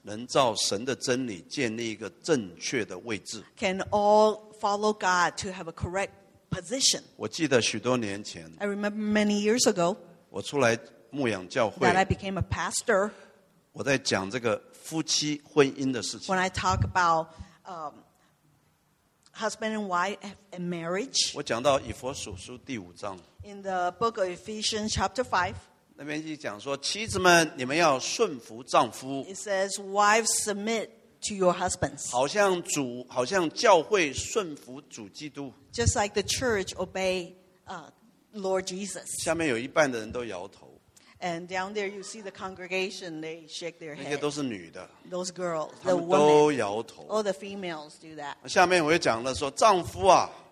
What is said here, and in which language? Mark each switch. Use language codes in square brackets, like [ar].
[zh] 能照神的真理建立一个正确的位置, [en] can all follow God to have a correct position. [zh] 我记得许多年前, [en] I remember many years ago, [zh] 我出来牧养教会, [en] that I became a pastor, [zh] 我在讲这个夫妻婚姻的事情, [en] when I talk about husband and wife and marriage, [zh] 我讲到以弗所书第五章, [en] in the book of Ephesians chapter 5, [zh] 那边就讲说,妻子们,你们要顺服丈夫。 [en] It says, wives submit to your husbands. [zh] 好像主, 好像教会顺服主基督。 [en] Just like the church obey Lord Jesus. [zh] 下面有一半的人都摇头。 [en] And down there, you see the congregation, they shake their head. [zh] 那些都是女的, [en] those girls, the women, all the females do that. [zh] 下面我也讲了说,丈夫啊,